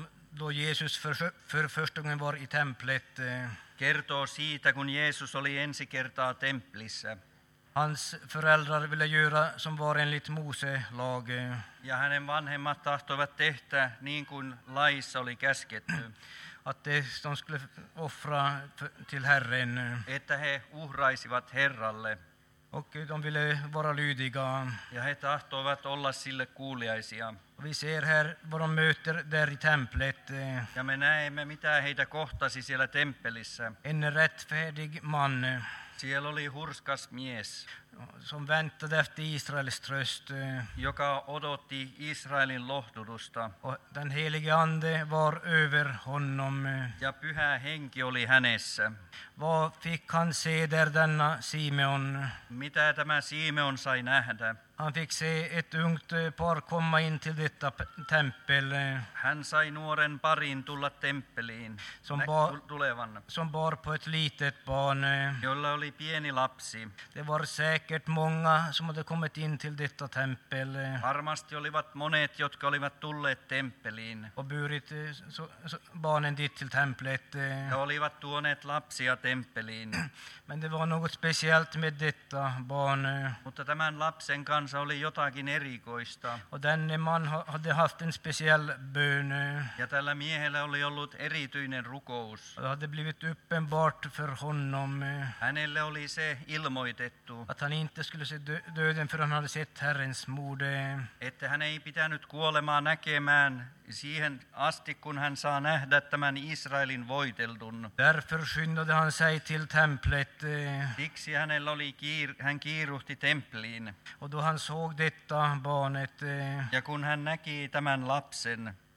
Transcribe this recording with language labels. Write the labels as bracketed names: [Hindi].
[Swedish] då Jesus för första gången var i templet, [Finnish] kertoo siitä, kun Jeesus oli ensi kertaa templissä. [Swedish] Hans föräldrar ville göra som var enligt Mose lag. [Finnish] Ja hänen vanhemmat tahtoivat tehdä niin kuin laissa oli käsketty. [Swedish] Att de skulle offra till Herren. [Finnish] Että he uhraisivat Herralle. [Swedish] Och de ville vara lydiga. [Finnish] Ja he tahtoivat olla sille kuuliaisia. [Swedish] Vi ser här vad de möter där i templet. [Finnish] Ja me näemme, mitä heitä kohtasi siellä temppelissä. [Swedish] En rättfärdig man. [Finnish] Siellä oli hurskas mies, [Swedish] som väntade efter Israels tröst, [Finnish] joka odotti Israelin lohdutusta. [Swedish] Den helige ande var över honom, [Finnish] ja pyhä henki oli hänessä. [Swedish] Vad fick han se där denna Simeon? [Finnish] Mitä tämä Simeon sai nähdä? [Swedish] Han fick se ett ungt par komma in till detta tempel. [Finnish] Hän sai nuoren parin tulla temppeliin, [Swedish] som bar på ett litet barn, [Finnish] jolla oli pieni lapsi. [Swedish] Det var säkert många som hade kommit in till detta tempel. [Finnish] Varmasti olivat monet, jotka olivat tulleet temppeliin. [Swedish] Och burit barnen dit till templet. [Finnish] Ja olivat tuoneet lapsia temppeliin. [Swedish] Men det var något speciellt med detta barn. [Finnish] Mutta tämän lapsen kanssa oli jotakin erikoista. [Swedish] Och denne man hade haft en speciell bön. [Finnish] Ja tällä miehellä oli ollut erityinen rukous. [Swedish] Det hade blivit uppenbart för honom. [Finnish] Hänelle oli se ilmoitettu. [Swedish] Att han inte skulle se döden förrän han hade sett Herrens mord. [Finnish] Että hän ei pitänyt kuolemaa näkemään siihen asti, kun hän saa nähdä tämän Israelin voiteltun. [Swedish] Därför skyndade han sig till templet. [Finnish] Siksi hänellä oli hän kiiruhti templiin. [Swedish] Och då han såg detta barnet. [Finnish] Ja kun hän näki tämän lapsen.